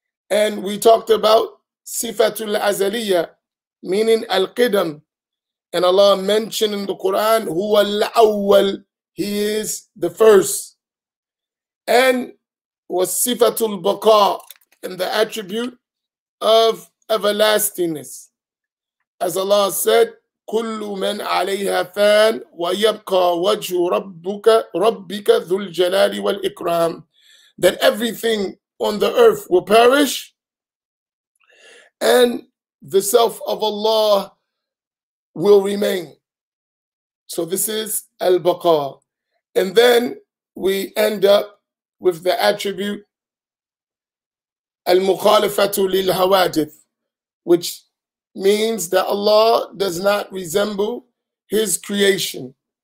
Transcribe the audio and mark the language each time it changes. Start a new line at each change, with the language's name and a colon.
English: And we talked about Sifatul Azaliya, meaning Al-Qidam. And Allah mentioned in the Quran, Huwa Al-Awwal, He is the first. And was Sifatul Baqa, and the attribute of everlastingness.
Arabic: As Allah said, كُلُّ مَنْ عَلَيْهَا فَانْ وَيَبْقَى وَجْهُ رَبِّكَ ذُو الْجَلَالِ وَالْإِكْرَامِ.
English: That everything on the earth will perish, and the self of Allah will remain. So this is al-baqa. And then we end up with the attribute al-mukhalifatu lil-hawadith, which means that Allah does not resemble His creation.